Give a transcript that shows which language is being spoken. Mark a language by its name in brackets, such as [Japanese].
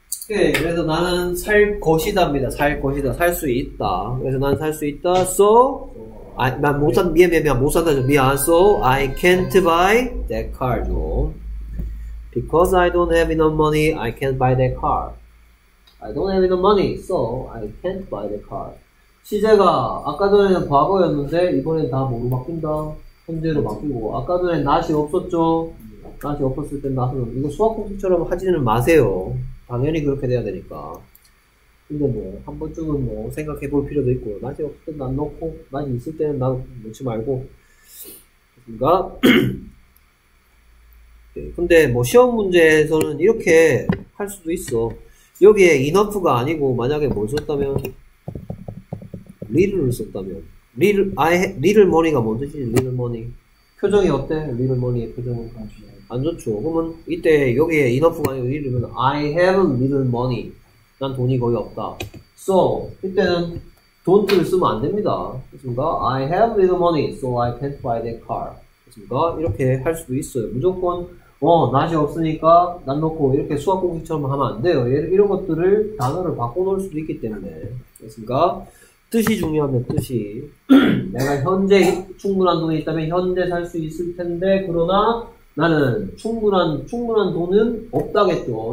[Korean] 오케이, 그래서 나는 살 것이다입니다. 살 것이다. 살 수 있다. 그래서 난 살 수 있다. So, 아, 난 못 산, 미안, 못 산다죠. 미안. [English] So, I can't buy that car. Because I don't have enough money, I can't buy that car. I don't have enough money, so I can't buy that car. [Korean] 시제가 아까 전에는 과거였는데, 이번엔 다 뭐로 바뀐다? 현재로 바뀌고, 아까 전에 not이 없었죠? not이 없었을 땐 not은, 이거 수학 공식처럼 하지는 마세요. 당연히 그렇게 돼야 되니까. 근데 뭐, 한 번쯤은 뭐, 생각해 볼 필요도 있고, 낮이 없을 땐 난 놓고, 낮이 있을 때는 난 놓지 말고. 그니까. 네, 근데 뭐, 시험 문제에서는 이렇게 할 수도 있어. 여기에 enough가 아니고, 만약에 뭘 썼다면, little을 썼다면, little money가 뭔 뜻이지, little money. 표정이 어때? little money의 표정은. 안 좋죠. 그러면 이때 여기에 enough가 아니고 이러면 [English] I have little money. [Korean] 난 돈이 거의 없다. So 이때는 don't를 쓰면 안 됩니다. 그렇습니까? [English] I have little money, so I can't buy that car. [Korean] 그렇습니까? 이렇게 할 수도 있어요. 무조건 not이 없으니까 난 놓고 이렇게 수학 공식처럼 하면 안 돼요. 이런 것들을 단어를 바꿔놓을 수도 있기 때문에. 그렇습니까? 뜻이 중요하면 뜻이 내가 현재 충분한 돈이 있다면 현재 살 수 있을 텐데 그러나 나는 충분한 돈은 없다겠죠.